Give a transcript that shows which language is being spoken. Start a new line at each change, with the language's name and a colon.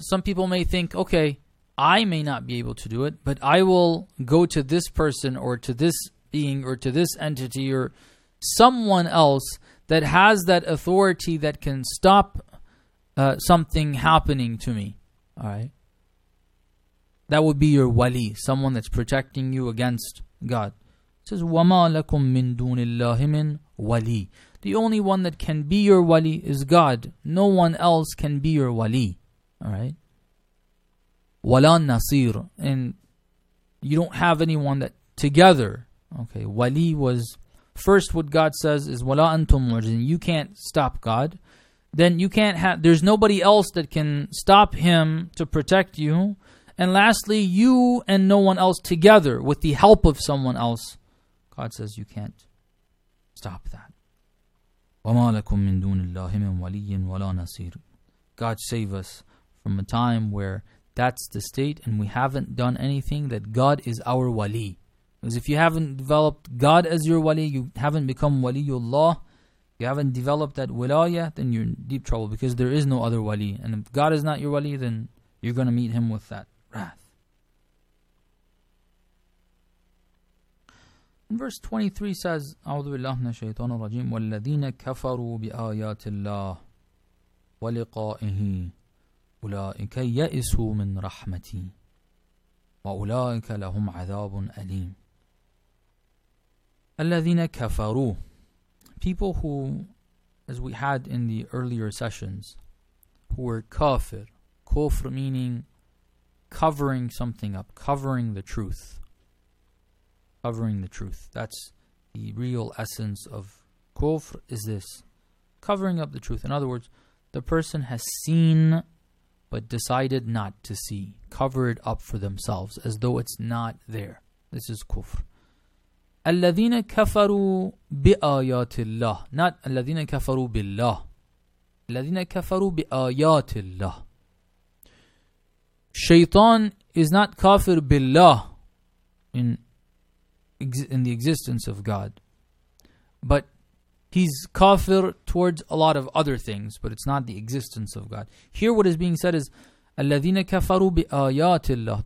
English: Some people may think, okay, I may not be able to do it, but I will go to this person or to this being or to this entity or someone else that has that authority that can stop something happening to me. All right. That would be your wali, someone that's protecting you against God. It says,
Arabic: وَمَا لَكُم مِّن دُونِ اللَّهِ مِّن وَلِي.
English: The only one that can be your wali is God. No one else can be your wali. Alright?
Arabic: وَلَا نَصِيرٌ.
English: And you don't have anyone that together. Okay, wali was, first what God says is,
Arabic: وَلَا أَنْتُمْ مُعْجِزِينَ.
English: You can't stop God. Then you can't have, there's nobody else that can stop Him to protect you. And lastly, you and no one else together with the help of someone else, God says you can't stop that.
Arabic: وَمَا لَكُم مِّن دُونِ اللَّهِ مِن وَلِيٍّ وَلَا نَصِيرٍ.
English: God save us from a time where that's the state and we haven't done anything, that God is our wali. Because if you haven't developed God as your wali, you haven't become waliullah, you haven't developed that wilaya, then you're in deep trouble because there is no other wali. And if God is not your wali, then you're going to meet Him with that wrath. Verse 23 says,
Arabic: أعوذ بالله من الشيطان الرجيم والذين كفروا بآيات الله ولقائه أولئك يئسوا من رحمتي وأولئك لهم عذاب أليم. الذين كفروا.
English: People who, as we had in the earlier sessions, who were kafir. Kufr meaning covering something up, covering the truth. Covering the truth. That's the real essence of kufr, is this. Covering up the truth. In other words, the person has seen but decided not to see. Cover it up for themselves as though it's not there. This is kufr.
Arabic: الَّذِينَ كَفَرُوا بِآيَاتِ اللَّهِ.
English: Not
Arabic: الَّذِينَ كَفَرُوا بِاللَّهِ. الَّذِينَ كَفَرُوا بِآيَاتِ اللَّهِ.
English: Shaytan is not kafir billah in the existence of God. But he's kafir towards a lot of other things, but it's not the existence of God. Here what is being said is,
Arabic: الَّذِينَ كَفَرُوا بِآيَاتِ اللَّهِ.